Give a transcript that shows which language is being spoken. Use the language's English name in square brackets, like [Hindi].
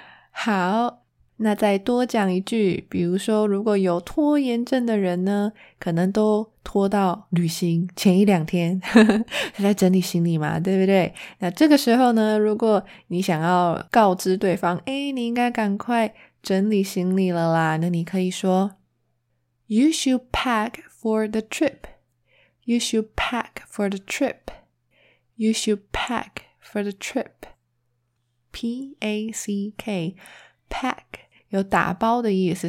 [Chinese] 好，那再多讲一句，比如说如果有拖延症的人呢，可能都拖到旅行前一两天在整理行李嘛，对不对？那这个时候呢，如果你想要告知对方，诶，你应该赶快整理行李了啦，那你可以说 [English] You should pack for the trip。 You should pack for the trip. You should pack for the trip. P-A-C-K. [Chinese] Pack 有打包的意思。